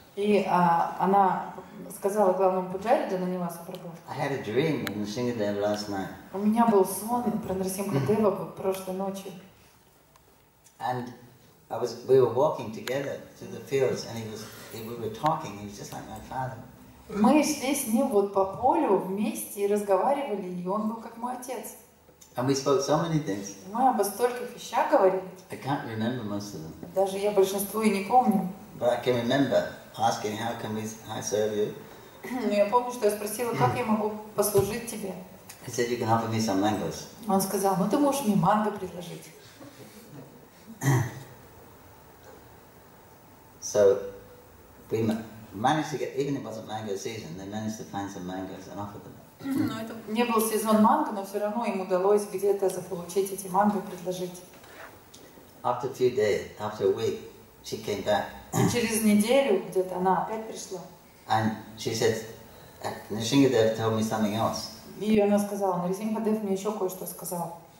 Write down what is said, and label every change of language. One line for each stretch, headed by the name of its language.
Russian: И она сказала главному пуджари Джананивасу Прабху.
English: I had a dream of Нарасимхадев last night.
Russian: У меня был сон про Нарасимхадева прошлой ночью.
English: And we were walking together to the fields, and we were talking. He was just like my father.
Russian: Мы шли с ним вот по полю вместе и разговаривали, и он был как мой отец.
English: And we spoke so many things.
Russian: Мы обо стольких вещах говорили.
English: I can't remember most of them.
Russian: Даже я большинство и не помню.
English: But I can remember asking, how can I serve you?
Russian: Но я помню, что я спросила, как я могу послужить тебе.
English: He said, you can offer me some mangoes.
Russian: Он сказал, ну ты можешь мне манго предложить.
English: So we managed to get, even if it wasn't mango season, they managed to find some mangoes and offer them.
Russian: Не был сезон манго, но все равно им удалось где-то заполучить эти манго и предложить.
English: After a few days, after a week, she came back.
Russian: Через неделю где-то она опять пришла.
English: And she said, Нарасимхадев told me something else.
Russian: И она сказала, Нарасимхадев мне еще кое-что сказал.